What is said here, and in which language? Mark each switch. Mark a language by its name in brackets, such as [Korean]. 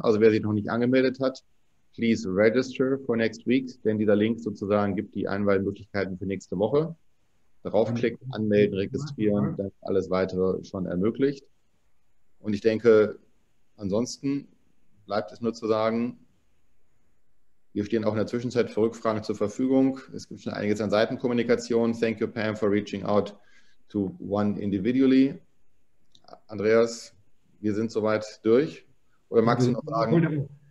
[German] Also wer sich noch nicht angemeldet hat, [English] please register for next week, [German] denn dieser Link sozusagen gibt die Einwahlmöglichkeiten für nächste Woche. Draufklicken, anmelden, registrieren, dann alles weitere schon ermöglicht. Und ich denke, ansonsten bleibt es nur zu sagen, wir stehen auch in der Zwischenzeit für Rückfragen zur Verfügung. Es gibt schon einiges an Seitenkommunikation. [English] Thank you, Pam, for reaching out to one individually. [German] Andreas, wir sind soweit durch. Oder magst du noch sagen?